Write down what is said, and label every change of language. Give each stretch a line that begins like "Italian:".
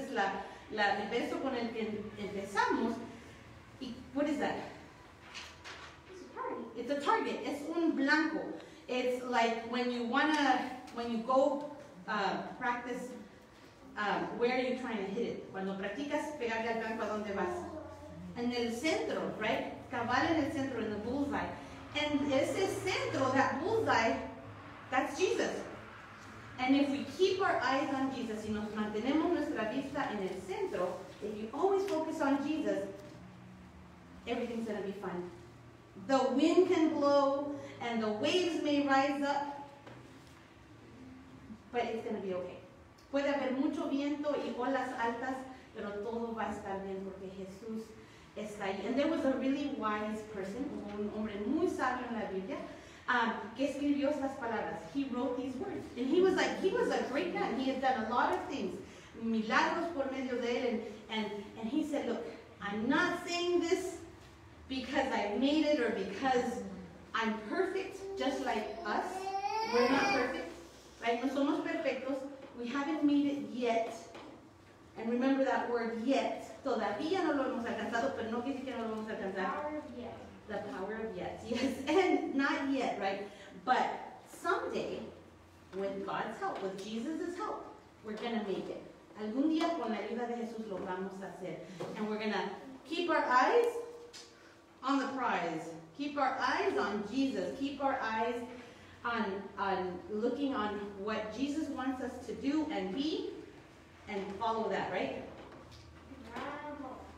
English: This is
Spanish: la el verso con el que empezamos. Y,
English: what is that? It's a target. It's a target.
Spanish: Es un blanco.
English: It's like when you go practice, where are you trying to hit it?
Spanish: Cuando practicas pegarle al blanco, ¿a dónde vas? En el centro, right? Cabal en el centro,
English: in the bullseye. And
Spanish: ese centro,
English: that bullseye, that's Jesus. And if we keep our eyes on Jesus,
Spanish: y nos mantenemos nuestra vista en el centro,
English: if you always focus on Jesus, everything's going to be fine. The wind can blow, and the waves may rise up, but it's going to be okay.
Spanish: Puede haber mucho viento y olas altas, pero todo va a estar bien porque Jesús está ahí.
English: And there was a really wise person,
Spanish: un hombre muy sabio en la Biblia, que escribió estas palabras.
English: He wrote these words. And he was like, he was a great man. He had done a lot of things,
Spanish: milagros por medio de él.
English: And he said, look, I'm not saying this because I made it or because I'm perfect, just like us. We're not perfect, right?
Spanish: No somos perfectos.
English: We haven't made it yet. And remember that word, yet.
Spanish: Todavía no lo hemos alcanzado, pero no quiere decir que no lo vamos a alcanzar.
English: The power of yet. The power of yet, yes. And not yet, right? But someday, with God's help, with Jesus' help, we're going to make it.
Spanish: Algún día, con la ayuda de Jesús, lo vamos a hacer.
English: And we're going to keep our eyes on the prize. Keep our eyes on Jesus. Keep our eyes on looking on what Jesus wants us to do and be, and follow that, right? Bravo.